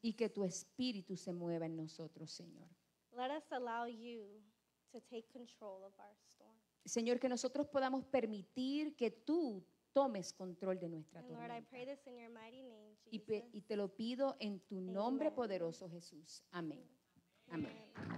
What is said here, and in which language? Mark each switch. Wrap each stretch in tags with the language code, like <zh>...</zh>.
<es>Y que tu espíritu se mueva en nosotros, Señor.</es> <en>Let us allow you to take control of our storm.</en> <es>Señor, que nosotros podamos permitir que tú tomes control de nuestra tormenta.</es> <en>Lord, I pray this in your mighty name, Jesus.</en> <es>Y te lo pido en tu Amen. Nombre poderoso, Jesús. Amén. Amén.</es>